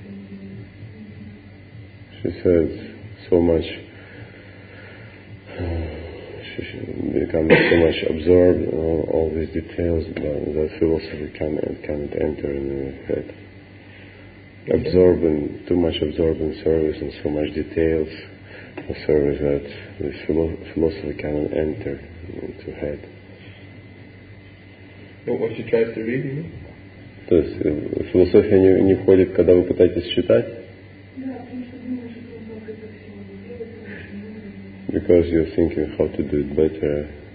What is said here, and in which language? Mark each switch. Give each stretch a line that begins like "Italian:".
English: says so much, she becomes so much absorbed in all these details, but the philosophy can't enter in her head. Absorbing, too much absorbed in service and so much details of service that the philosophy cannot enter into head. What she tries to read,
Russian: То есть философия не входит, когда вы пытаетесь читать?
English: Because you're thinking how to do it better.